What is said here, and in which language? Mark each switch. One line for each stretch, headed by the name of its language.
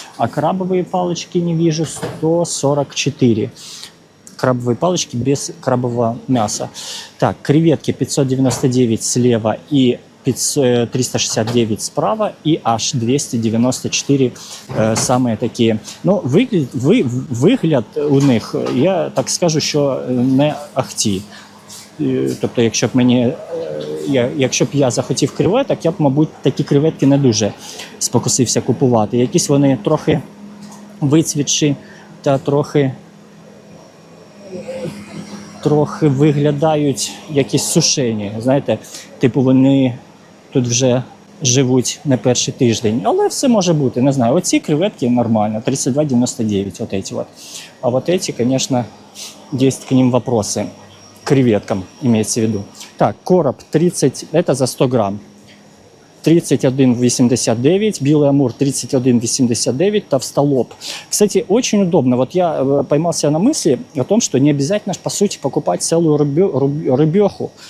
Russian: А крабовые палочки не вижу, 144. Крабовые палочки без крабового мяса. Так, креветки 599 слева и 369 справа и аж 294 самые такие.
Ukrainian: Ну, выгляд у них, я так скажу, що не ахті. Тобто, якщо б мені, якщо б я захотів креветок, я б, мабуть, такі креветки не дуже спокусився купувати. Якісь вони трохи вицвітші та трохи виглядають якісь сушені. Знаєте, типу вони тут вже живуть не перший тиждень. Але все може бути, не знаю. Оці креветки нормально, 32,99, от ці от. А от ці, звісно, є
Russian: к ним вопроси. К креветкам, имеется в виду. Так, короб 30, это за 100 грамм.
Ukrainian: 31,89, Білий Амур 31,89, Товстолоб.
Russian: Кстати, очень удобно. Вот я поймался на мысли о том, что не обязательно, по сути, покупать целую рыбеху.